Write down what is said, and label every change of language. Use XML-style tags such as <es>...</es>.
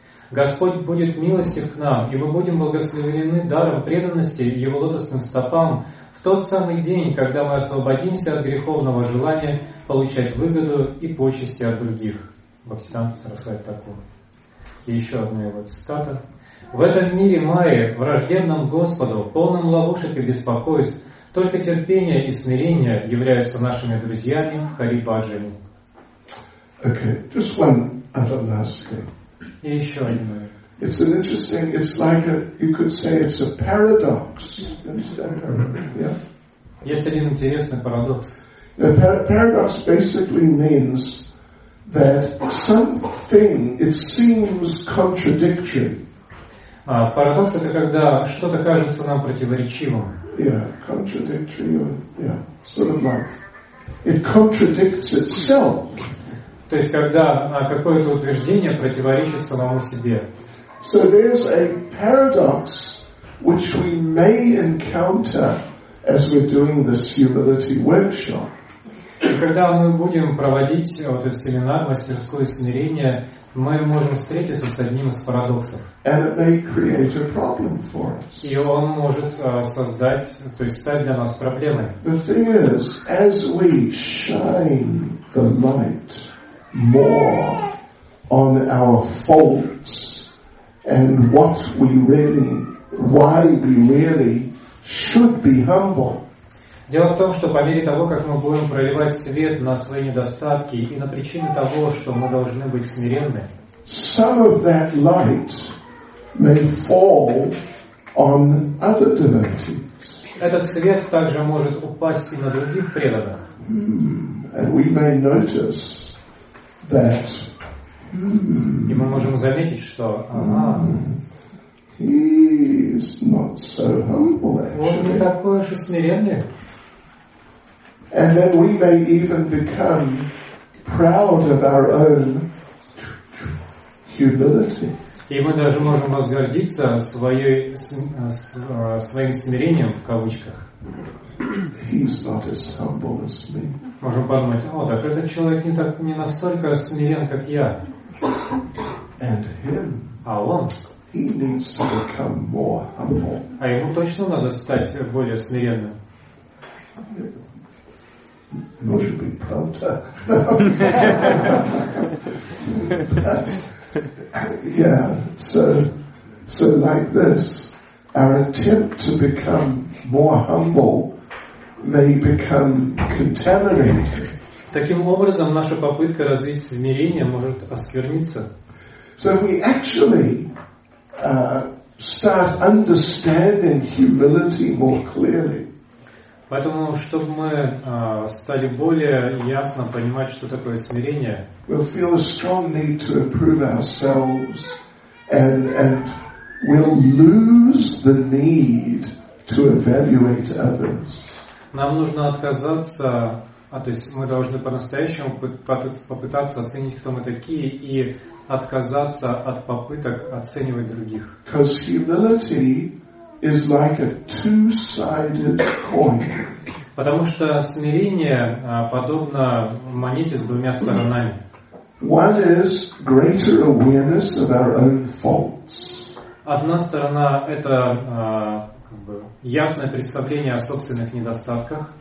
<ru>Господь будет милостив к нам, и мы будем благословлены даром преданности Его лотосным стопам в тот самый день, когда мы освободимся от греховного желания получать выгоду и почести от других. Бхактисиддханта Сарасвати такой. еще одна его цитата. «В этом мире Майя, враждебном Господу, полном ловушек и беспокойств, только терпение и смирение являются нашими друзьями в Хари-Баджане».</ru> <en>Okay, just one other last thing.</en> <ru>И еще один.</ru> <en>It's an interesting, it's like a, you could say it's a paradox. You understand paradox? Yeah.</en> <ru>Есть один интересный парадокс.</ru> <en>Paradox basically means that something, it seems contradictory.</en> <ru>Парадокс это когда что-то кажется нам противоречивым.</ru> <en>Yeah, contradictory, yeah, sort of like, it contradicts itself.</en> <ru>То есть, когда какое-то утверждение противоречит самому себе.</ru> <en>So there's a paradox which we may encounter as we're doing this humility workshop.</en> <ru>И когда мы будем проводить вот этот семинар «Мастерское смирение», мы можем встретиться с одним из парадоксов.</ru> <en>And it may create a problem for us.</en> <ru>И он может создать, то есть стать для нас проблемой.</ru> <en>The thing is, as we shine the light more on our faults and what we really, why we really should be humble.</en> <ru>Дело в том, что по мере того, как мы будем проливать свет на свои недостатки и на причины того, что мы должны быть смиренны,</ru> <en>some of that light may fall on other devotees.</en> <ru>Этот свет также может упасть и на других преданных.</ru> <en>And we may notice that.</en> <ru>И мы можем заметить, что</ru> <en>he's not so humble, actually.</en> <ru>Он не такой уж и смиренный.</ru> <en>And then we may even become proud of our own humility.</en> <ru>И мы даже можем возгордиться своим смирением в кавычках.</ru> <en>He's not as humble as me.</en> <ru>Можем подумать, о, так этот человек не настолько смирен, как я.</ru> <en>And him.</en> <ru>А он?</ru> <en>He needs to become more humble.</en> <ru>А ему точно надо стать более смиренным. Может быть, правда.</ru> <en>Yeah, so like this, our attempt to become more humble may become contaminated.</en> <ru>Таким образом, наша попытка развить смирение может оскверниться.</ru> <en>So we actually start understanding humility more clearly.</en> <ru>Поэтому, чтобы мы стали более ясно понимать, что такое смирение,</ru> <en>we'll feel a strong need to improve ourselves and we'll lose the need to evaluate others.</en> <ru>Нам нужно отказаться, то есть мы должны по-настоящему попытаться оценить, кто мы такие, и отказаться от попыток оценивать других.</ru> <en>Because humility is like a two-sided coin.</en> <ru>Потому что смирение подобно монете с двумя сторонами.</ru> <en>One is greater awareness of our own faults.</en> <ru>Одна сторона это ясное представление о собственных недостатках.</ru>